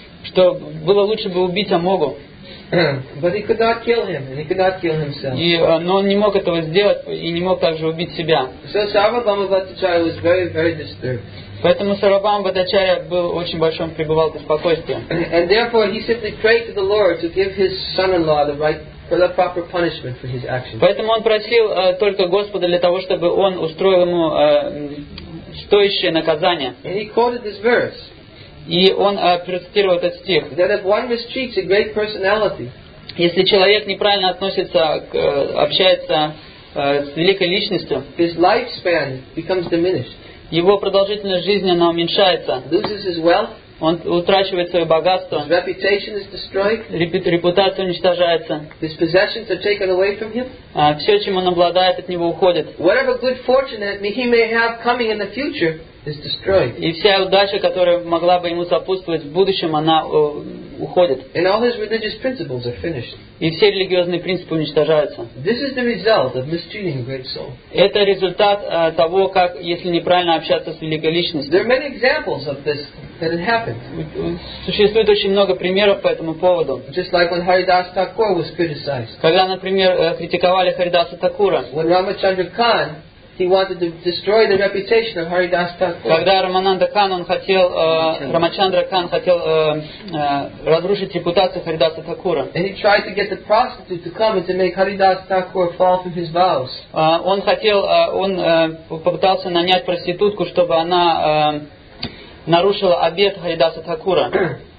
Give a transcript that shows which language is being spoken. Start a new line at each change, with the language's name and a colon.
Russian: Что было лучше бы убить Амогу.
English: But he could not kill him, and he could not kill himself.
Russian: Но он не мог этого сделать и не мог также убить себя.
English: So Sarvabhauma Bhattacharya was very, very disturbed.
Russian: Поэтому Сарвабхаума Бхаттачарья был очень большим, пребывал в беспокойстве.
English: And therefore he simply prayed to the Lord to give his son-in-law the right. For the proper punishment for his actions.
Russian: Поэтому он просил только Господа для того, чтобы он устроил ему стоящее наказание.
English: And he quoted this verse.
Russian: И он процитировал этот стих.
English: That if one mistreats a great personality,
Russian: если человек неправильно относится, общается с великой личностью,
English: his lifespan becomes diminished.
Russian: Его продолжительность жизни она уменьшается.
English: Loses his wealth.
Russian: Он утрачивает свое богатство.
English: His reputation is destroyed.
Russian: Репутация уничтожается.
English: His possessions are taken away from him.
Russian: Все, чем он обладает, от него уходит.
English: Whatever good fortune that he may have coming in the future is destroyed.
Russian: И вся удача, которая могла бы ему сопутствовать в будущем, она уходит.
English: And all his religious principles are finished.
Russian: И все религиозные принципы уничтожаются.
English: This is the result of mistreating a great soul.
Russian: Это результат того, как если неправильно общаться с великой личностью.
English: There are many examples of this. That it happened.
Russian: Существует очень много примеров по этому поводу.
English: Just like when Haridas Thakur was criticized.
Russian: Когда, например, критиковали Харидаса Такура.
English: When Ramachandra Khan, he wanted to destroy the reputation of Haridas Thakur.
Russian: Когда Рамананда Кан, он хотел, Рамачандра Кан хотел разрушить репутацию Харидаса Такура.
English: And he tried to get the prostitute to come and to make Haridas Thakur fall from his vows.
Russian: Он хотел, он попытался нанять проститутку, чтобы она нарушила обет Харидаса Такура.